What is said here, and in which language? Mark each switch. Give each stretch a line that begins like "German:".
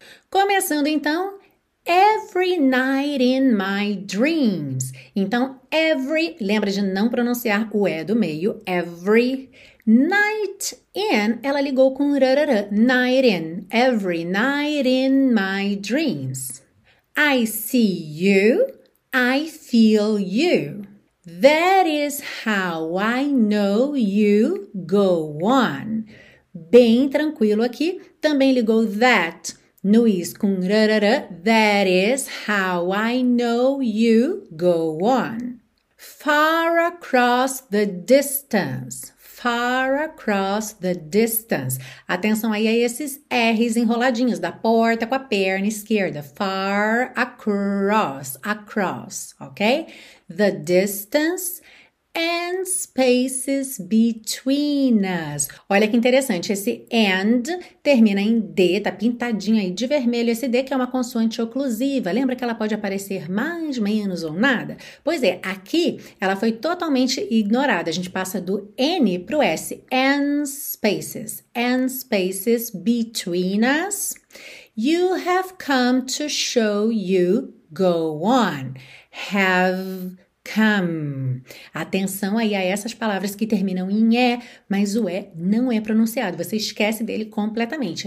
Portuguese: Começando então,
English: every night in my dreams. Então, every, lembra de não pronunciar o E do meio, every night in, ela ligou com rarara, night in, every night in my dreams. I see you, I feel you. That is how I know you go on.
Portuguese: Bem tranquilo aqui, também ligou
English: that no is
Portuguese: com rarara,
English: that is how I know you go on. Far across the distance. Far across the distance.
Portuguese: Atenção aí a esses R's enroladinhos da porta com a perna esquerda.
English: Far across, across, ok? The distance and spaces between us.
Portuguese: Olha que interessante, esse and termina em D, tá pintadinho aí de vermelho esse D, que é uma consoante oclusiva. Lembra que ela pode aparecer mais, menos ou nada? Pois é, aqui ela foi totalmente ignorada. A gente passa do N pro S.
English: And spaces between us. You have come to show you go on. Have come.
Portuguese: Atenção aí a essas palavras que terminam em E, mas o E não é pronunciado. Você esquece dele completamente.